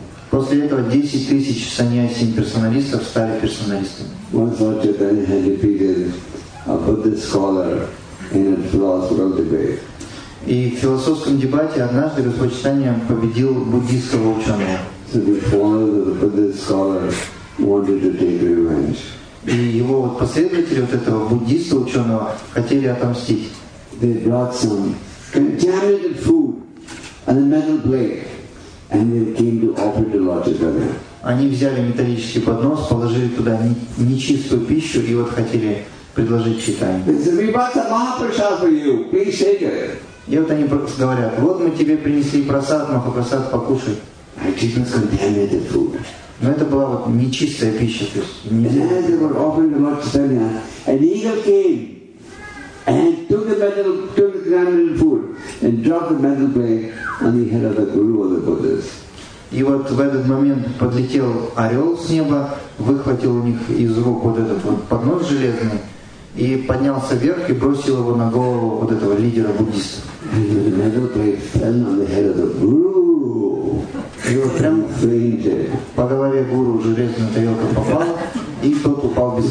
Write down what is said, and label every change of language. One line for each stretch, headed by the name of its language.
Russian: После этого 10 тысяч саньяси имперсоналистов стали персоналистами.
English: Once Lord Chaitanya had defeated a Buddhist scholar in a philosophical debate.
Russian: И в философском дебате однажды Господь Чайтанья победил буддийского ученого.
English: So the followers of the Buddhist scholar wanted to take revenge.
Russian: И его вот последователи вот этого буддийского ученого хотели отомстить.
English: They brought some contaminated food and a metal plate, and they came to offer to Lord Chaitanya.
Russian: Они взяли металлический поднос, положили туда нечистую пищу и вот хотели предложить Чайтанье.
English: They said, "We brought the Mahaprasad for you. Please take it."
Russian: И вот они говорят, вот мы тебе принесли просад, Махапрасад, покушай.
English: It was contaminated food.
Russian: Но это была вот нечистая пища. То есть не...
English: And as they were offering to Lord Chaitanya, an eagle came and took the metal, took the contaminated food, and dropped the metal blade on the head of the guru of the Buddhas.
Russian: И вот в этот момент подлетел орел с неба, выхватил у них из рук вот этот вот поднос железный и поднялся вверх и бросил его на голову вот этого лидера буддистов. И вот прям по голове гуру железная тарелка попала, и тот упал без